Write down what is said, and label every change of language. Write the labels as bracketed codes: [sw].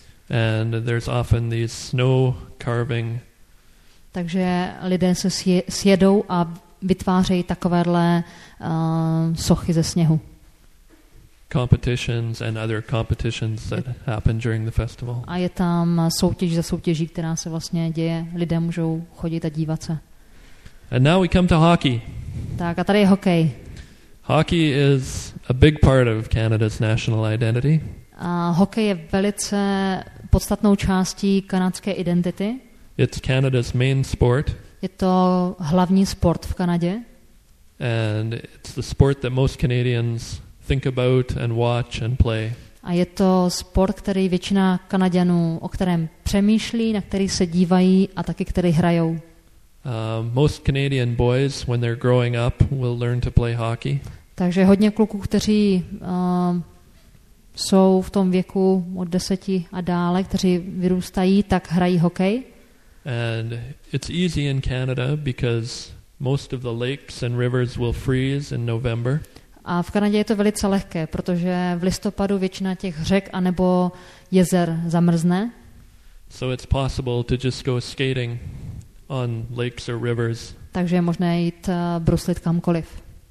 [en] And there's often these snow carving. [cs] Takže lidé se sjedou a vytvářejí takovéhle sochy ze sněhu. [en] competitions and other competitions that happen during the festival. [cs] A je tam soutěž za soutěží, která se vlastně děje, lidé můžou chodit a dívat se. [en] And now we come to hockey. [cs] Tak, a tady je hokej. [en] Hockey is a big part of Canada's national identity. [cs] A hokej je velice podstatnou částí kanadské identity. [en] It's Canada's main sport. [cs] Je to hlavní sport v Kanadě. [en] And it's the sport that most Canadians think about and watch and play. [cs] A je to sport, který většina Kanaďanů, o kterém přemýšlí, na který se dívají a taky který hrajou. [en] Most Canadian boys, when they're growing up, will learn to play hockey. [cs] Takže hodně kluků, kteří jsou v tom věku od 10 a dále, kteří vyrůstají, tak hrají hokej. [en] And it's easy in Canada because most of the lakes and rivers will freeze in November. [cs] A v Kanadě je to velice lehké, protože v listopadu většina těch řek a nebo jezer zamrzne. [en] So it's possible to just go skating on lakes or rivers. [cs] Takže je možné jít bruslit kamkoliv.